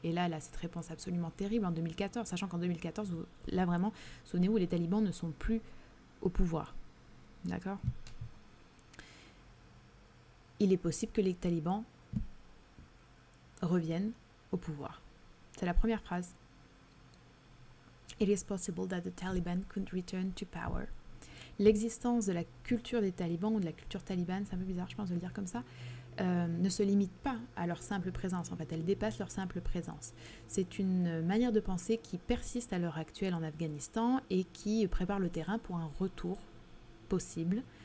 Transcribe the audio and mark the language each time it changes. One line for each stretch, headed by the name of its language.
French: Et là, elle a cette réponse absolument terrible en 2014, sachant qu'en 2014, là vraiment, souvenez-vous, les talibans ne sont plus au pouvoir, d'accord? Il est possible que les talibans reviennent au pouvoir. C'est la première phrase.
English: It is possible that the Taliban could return to power.
French: L'existence de la culture des talibans ou de la culture talibane, c'est un peu bizarre, je pense, de le dire comme ça, ne se limite pas à leur simple présence. En fait, elle dépasse leur simple présence. C'est une manière de penser qui persiste à l'heure actuelle en Afghanistan et qui prépare le terrain pour un retour possible.